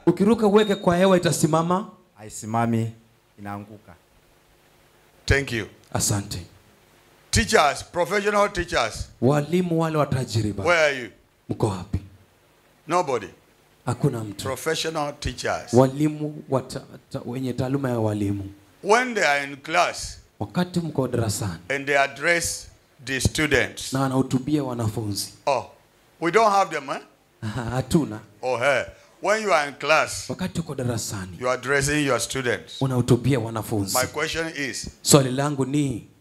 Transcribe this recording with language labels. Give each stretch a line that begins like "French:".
Swahili: Ukiruka uweke kwa hewa itasimama? Haisimami, inaanguka.
English: Thank you.
Swahili: Asante.
English: Teachers, professional teachers.
Swahili: Walimu wale wa tajriba.
English: Where are you?
Swahili: Mko wapi?
English: Nobody.
Swahili: Hakuna mtu.
English: Professional teachers.
Swahili: Walimu wenye taaluma ya walimu.
English: When they are in class.
Swahili: Wakati mko darasani.
English: And they address the students.
Swahili: Na wanahutubia wanafunzi.
English: Oh. We don't have them, eh?
Swahili: Hatuna.
English: Oh, hey. When you are in class.
Swahili: Wakati uko darasani.
English: You are addressing your students.
Swahili: Unahutubia wanafunzi.
English: My question is.
Swahili: Swali langu ni.